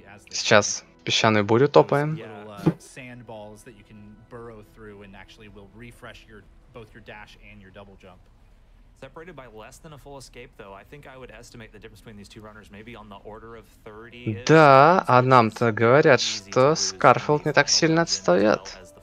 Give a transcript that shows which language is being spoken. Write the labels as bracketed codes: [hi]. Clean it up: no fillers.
[ru] Сейчас песчаную бурю топаем. [en] Sandballs that you can burrow through and actually will refresh your both your dash and your double jump. Separated by less than a full escape though, I think I would estimate the difference between these two runners maybe on the order of 30. [ru] Да, а нам-то говорят, что Скарфилд не так сильно отстаёт.